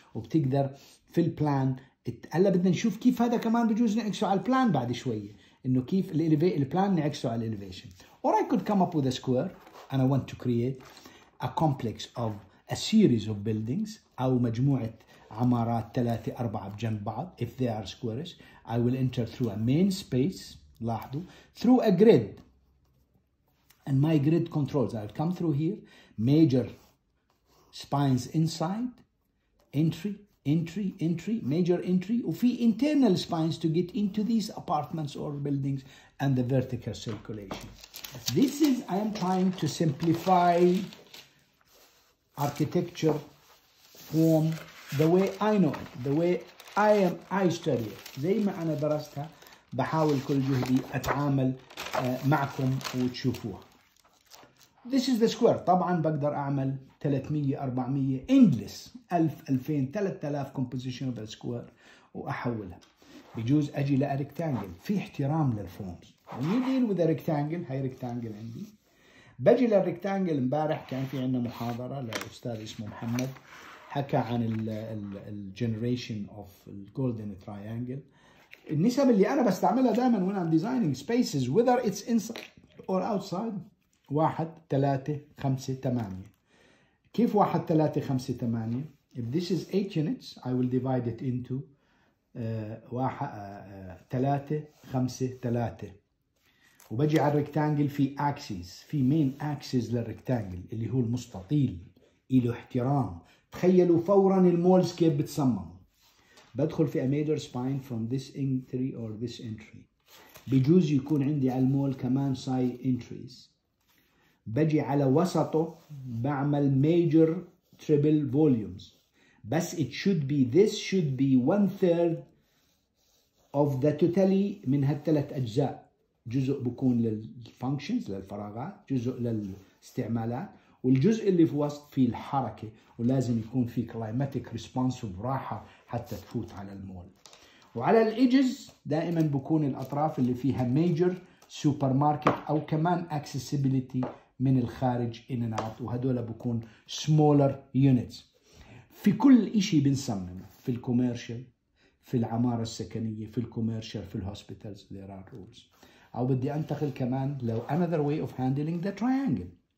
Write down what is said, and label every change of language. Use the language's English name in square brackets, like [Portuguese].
[Arabic] وبتقدر في البلان, هلا بدنا نشوف كيف هذا كمان بجوز نعكسه على البلان بعد شوية, إنه كيف البلان نعكسه على الإليفيشن. [English] Or I could come up with a square, and I want to create a complex of a series of buildings, [Arabic] أو مجموعة عمارات ثلاثة أربعة بجنب بعض. [English] If they are squares, I will enter through a main space, [Arabic] لاحظوا, [English] through a grid. And my grid controls, I'll come through here, major spines inside, entry, entry, entry, major entry, وفي internal spines to get into these apartments or buildings, and the vertical circulation. This is, I am trying to simplify architecture form the way I know it, the way I am, I study it. [Arabic] زي ما أنا درستها بحاول كل جهدي أتعامل معكم وتشوفوها. [English] This is the square. [Arabic] طبعا بقدر أعمل [English] 300, 400, endless 1000, 2000, 3000 composition of the square [Arabic] وأحولها. بجوز أجي لأريكتانجل, في احترام للفورمز. [English] When you deal with a rectangle, [Arabic] هاي rectangle عندي. بجي للريكتانجل, مبارح كان في عندنا محاضرة لأستاذ اسمه محمد, حكى عن الـ [English] generation of golden triangle. [Arabic] النسب اللي أنا بستعملها دائما [English] when I'm designing spaces, whether it's inside or outside, 1, 3, 5, 8. [Arabic] كيف 1, 3, 5, 8? [English] If this is 8 units, I will divide it into 1, 3, 5, 3. [Arabic] وبجي على الريكتانجل في أكسيز, في مين أكسيز للريكتانجل اللي هو المستطيل, إله احترام. تخيلوا فورا المولز كيف بتصمم. بدخل في [English] a major spine from this entry or this entry. [Arabic] بجوز يكون عندي على المول كمان ساي entries. بجي على وسطه بعمل major triple volumes. [English] بس it should be, this should be one third of the totally [Arabic] من هالثلاث أجزاء. جزء بكون للفانكشنز للفراغات, جزء للاستعمالات, والجزء اللي في وسط فيه الحركة, ولازم يكون فيه كلايماتيك ريسبونس وراحة حتى تفوت على المول. وعلى الإيجز دائما بكون الأطراف اللي فيها ميجر سوبر ماركت أو كمان أكسسيبيليتي من الخارج إن أند أوت, وهدول بكون سمولر يونتس. في كل إشي بنصممه في الكوميرشال, في العمارة السكنية, في الكوميرشال, في الهوسبيتالز, [English] there are rules. [Arabic] أو بدي أنتقل كمان لو [English] another way of handling the triangle.